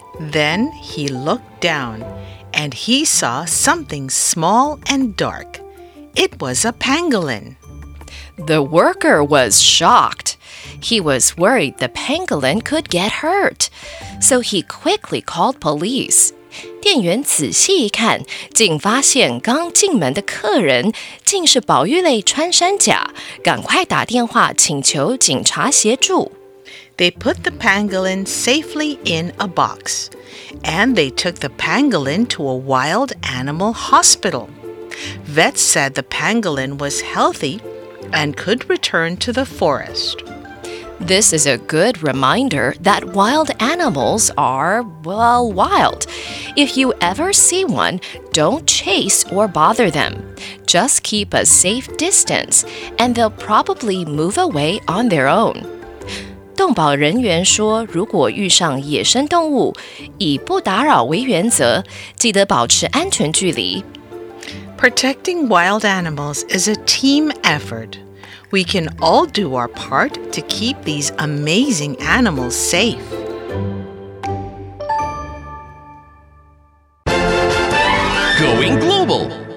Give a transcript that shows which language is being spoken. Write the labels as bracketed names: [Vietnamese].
[English] Then he looked down, and he saw something small and dark. It was a pangolin. The worker was shocked. He was worried the pangolin could get hurt, so he quickly called police. [Chinese] 店员仔细一看，竟发现刚进门的客人竟是保育类穿山甲，赶快打电话请求警察协助。 [English] They put the pangolin safely in a box, and they took the pangolin to a wild animal hospital. Vets said the pangolin was healthy and could return to the forest. This is a good reminder that wild animals are, well, wild. If you ever see one, don't chase or bother them. Just keep a safe distance, and they'll probably move away on their own. [Chinese] 动保人员说，如果遇上野生动物，以不打扰为原则，记得保持安全距离。 [English] Protecting wild animals is a team effort. We can all do our part to keep these amazing animals safe. Going global.